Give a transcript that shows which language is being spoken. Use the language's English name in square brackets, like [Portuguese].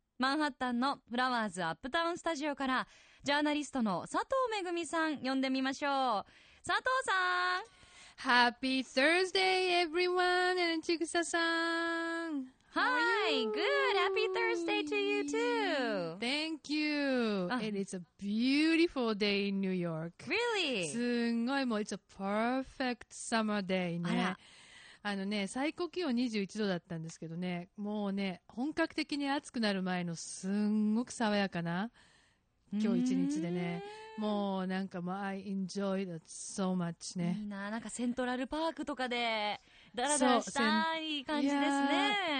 [Japanese] マンハッタンのフラワーズアップタウンスタジオからジャーナリストの佐藤めぐみさん呼んでみましょう。佐藤さん、 [English] ハッピーサーズデーエブリワン、アンチグサさん。はい、グッド、ハッピーサーズデーとユーツー。 Thank you. It is a beautiful day in New York. Really? [Japanese] すんごい、もう [English] It's a perfect summer day [Japanese] ね。あのね、最高気温21度だったんですけどね、もうね、本格的に暑くなる前のすんごく爽やかな今日一日でね、もうなんかもう [English] I enjoy that so much [Japanese] ね。いいな、なんかセントラルパークとかでダラダラしたい感じですね。